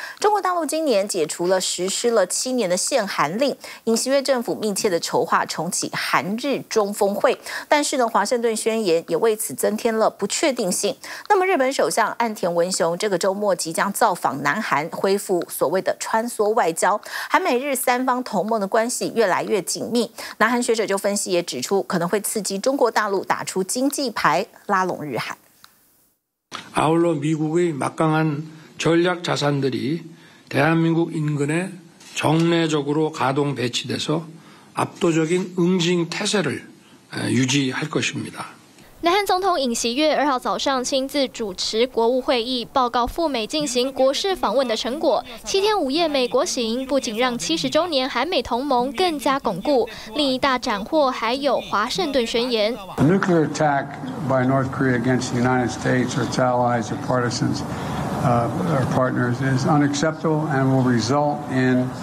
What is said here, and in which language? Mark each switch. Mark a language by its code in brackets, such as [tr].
[zh] 中国大陆今年解除了实施了7年的限韩令，尹锡悦政府密切的筹划重启韩日中峰会，但是呢，华盛顿宣言也为此增添了不确定性。那么日本首相岸田文雄这个周末即将造访南韩，恢复所谓的穿梭外交，韩美日三方同盟的关系越来越紧密。南韩学者就分析也指出，可能会刺激中国大陆打出经济牌，拉拢日韩。 [ko] 아울러미국의막강한전략자산들이대한민국인근에정례적으로가동배치돼서압도적인응징태세를유지할것입니다 [zh] 南韩总统尹锡悦2号早上亲自主持国务会议，报告赴美进行国事访问的成果。 7天5夜美国行，不仅让70周年韩美同盟更加巩固，另一大斩获还有华盛顿宣言。 [en] A nuclear attack by North Korea against the United States or its allies or partisans, or partners is unacceptable and will result in.